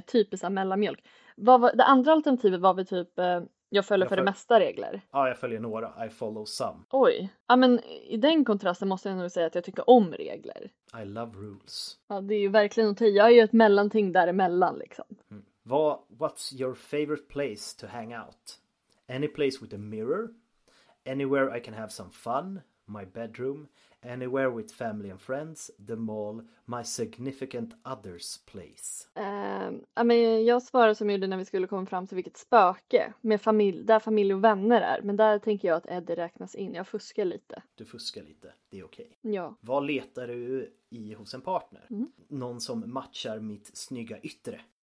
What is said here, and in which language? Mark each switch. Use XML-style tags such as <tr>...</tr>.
<sv>Typiskt av mellanmjölk. Det andra alternativet var vi typ... Jag följer det mesta regler. Ja, jag följer några.</sv> <en>I follow some.</en> <sv>Oj. Ja, men i den kontrasten måste jag nog säga att jag tycker om regler.</sv> <en>I love rules.</en> <sv>Ja, det är ju verkligen något. Jag är ju ett mellanting däremellan liksom. Mm.</sv> <en>What's your favorite place to hang out? Any place with a mirror? Anywhere I can have some fun? My bedroom? Anywhere with family and friends? The mall? My significant other's place?</en> <sv>Jag svarar som jag gjorde när vi skulle komma fram till vilket spöke. Med familj, där familj och vänner är. Men där tänker jag att Eddie räknas in. Jag fuskar lite. Du fuskar lite. Det är okej. Okay. Ja. Vad letar du i hos en partner? Mm. Någon som matchar mitt snygga yttre.</sv>